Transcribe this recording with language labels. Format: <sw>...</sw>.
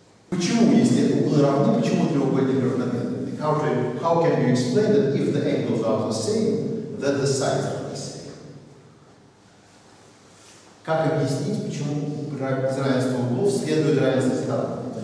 <ru>Почему, если углы равны, почему треугольник равномерный?</ru> <en>How can you explain that if the angles are the same, that the sides are the same?</en> <ru>Как объяснить, почему равенство углов следует равенство сторон?</ru>